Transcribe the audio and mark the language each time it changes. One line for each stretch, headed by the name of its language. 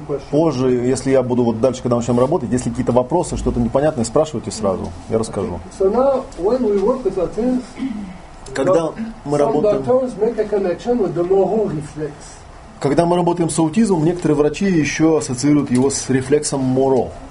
Russian: Позже, если я буду вот дальше, когда мы начнем работать, если какие-то вопросы, что-то непонятное, спрашивайте сразу, я расскажу.
English: So now, when we work with our teams,
Russian: когда мы работаем, когда мы работаем с аутизмом, некоторые врачи еще ассоциируют его с рефлексом Моро.